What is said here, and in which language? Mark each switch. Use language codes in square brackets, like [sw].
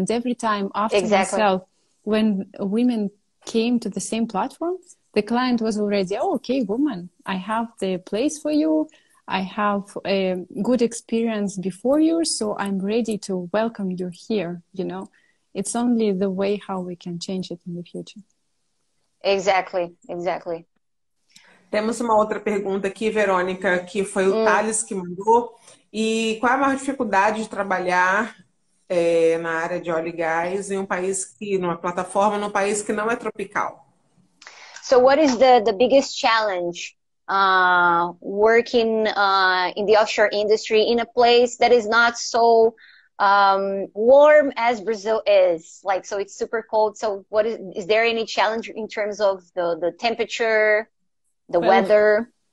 [en] And every time after myself, when women came to the same platform, the client was already, oh, okay, woman, I have the place for you. I have a good experience before you. So I'm ready to welcome you here, you know. It's only the way how we can change it in the future. Exactly, exactly. [pt] Temos uma outra pergunta aqui, Verônica, que foi o Thales que mandou. E qual é a maior dificuldade de trabalhar na área de óleo e gás em um país que, numa plataforma, num país que não é tropical? [en] So what is the biggest challenge working in the offshore industry in a place that is not so warm as Brazil is, like, so it's super cold. So what is there any challenge in terms of the temperature, the weather?